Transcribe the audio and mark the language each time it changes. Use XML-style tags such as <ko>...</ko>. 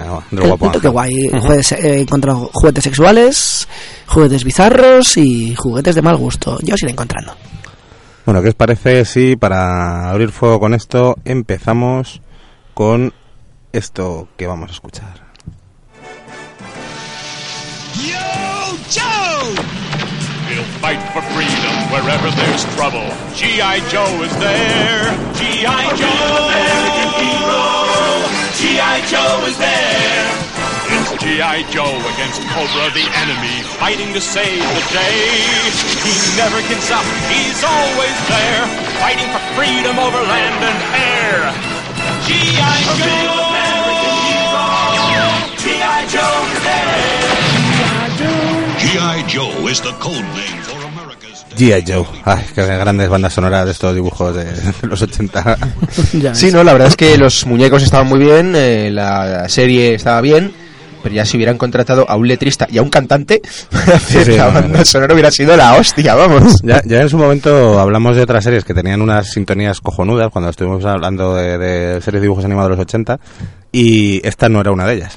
<es>del guapo. El toque guay. Juguetes, he encontrado juguetes sexuales, juguetes bizarros y juguetes de mal gusto. Yo os iré encontrando. Bueno, ¿qué os parece si, para abrir fuego con esto, empezamos con esto que vamos a escuchar?</es> <en>Yo, Joe! We'll fight for freedom wherever there's trouble. G.I. Joe is there. G.I. Joe, American hero. G.I. Joe is there. G.I. Joe against Cobra the enemy, fighting to save the day. He never gives up, he's always there, fighting for freedom over land and air. G.I. Joe, American hero. G.I. Joe, G.I. Joe. G.I. Joe is the code name for America's G.I. Joe.</en> <es>Ay, qué grandes bandas sonoras de estos dibujos de los 80. Sí, no, la verdad es que los muñecos estaban muy bien, la serie estaba bien. Pero ya si hubieran contratado a un letrista y a un cantante, la banda sonora hubiera sido la hostia, vamos. Ya en su momento hablamos de otras series que tenían unas sintonías cojonudas cuando estuvimos hablando de series de dibujos animados de los 80, y esta no era una de ellas.</es>